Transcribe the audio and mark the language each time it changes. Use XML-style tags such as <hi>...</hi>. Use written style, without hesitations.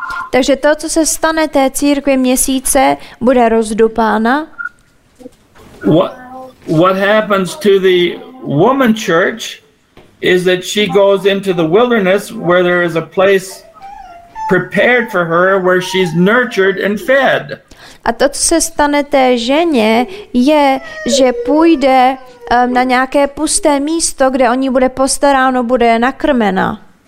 <cs>Takže to, co se stane té církvi měsíce, bude rozdupána.</cs> <en>What happens to the woman church is that she goes into the wilderness where there is a place prepared for her where she's nurtured and fed.</en> <cs>A to, co se stane té ženě, je, že půjde na nějaké pusté místo, kde o ní bude postaráno, bude nakrmena.</cs>